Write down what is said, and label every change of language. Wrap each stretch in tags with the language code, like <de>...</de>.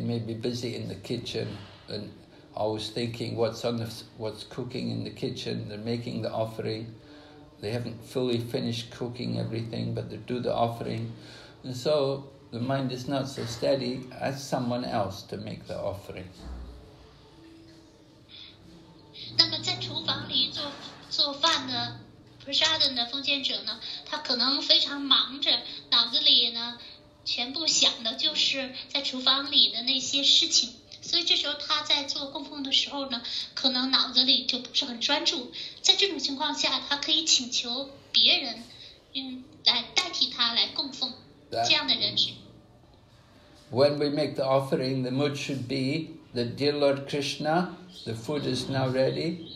<en>may be busy in the kitchen and always thinking what's cooking in the kitchen. They're making the offering. They haven't fully finished cooking everything, but they do the offering. And so the mind is not so steady, ask someone else to make the offering.</en> <zh>那么在厨房里做饭的，菩萨的那奉献者呢，他可能非常忙着，脑子里呢全部想的就是在厨房里的那些事情。所以这时候他在做供奉的时候呢，可能脑子里就不是很专注。在这种情况下，他可以请求别人，来代替他来供奉这样的人。</zh> <en>When we make the offering, the mood should be that, dear Lord Krishna, the food is now ready.</en>